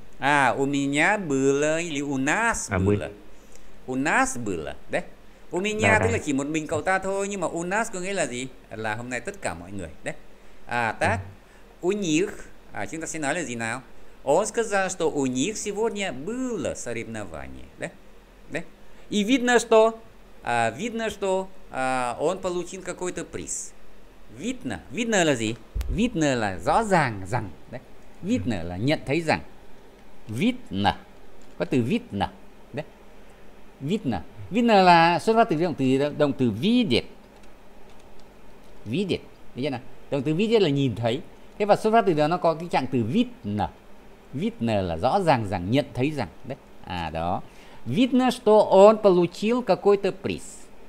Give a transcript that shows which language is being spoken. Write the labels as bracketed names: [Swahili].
[Russian] А, у меня было или у нас было? У нас было, да? У меня, да, [Vietnamese] тức là chỉ một mình cậu ta thôi, nhưng mà [Russian] у нас [Vietnamese] có nghĩa là gì? Là hôm nay tất cả mọi người, да? [Russian] А, так, у них, [Vietnamese] а, chúng ta sẽ nói là gì nào? [Russian] Он сказал, что у них сегодня было соревнование, да? Да? И видно, что он получил какой-то приз. Видно, видно [Vietnamese] là gì? [Russian] Видно [Vietnamese] là rõ ràng rằng, да? Видно là nhận thấy rằng. [Russian] Видно. [Vietnamese] Có từ [Russian] видно. Đấy. Видно. [Vietnamese] Видно là xuất phát từ động từ [Russian] видеть. Видеть. [Vietnamese] Thấy chưa nào? Động từ [Russian] видеть [Vietnamese] là nhìn thấy. Thế và xuất phát từ đó nó có cái trạng từ [Russian] видно. Видно [Vietnamese] là rõ ràng rằng, nhận thấy rằng. Đấy. À đó. [Russian] Видно, что он получил какой-то приз.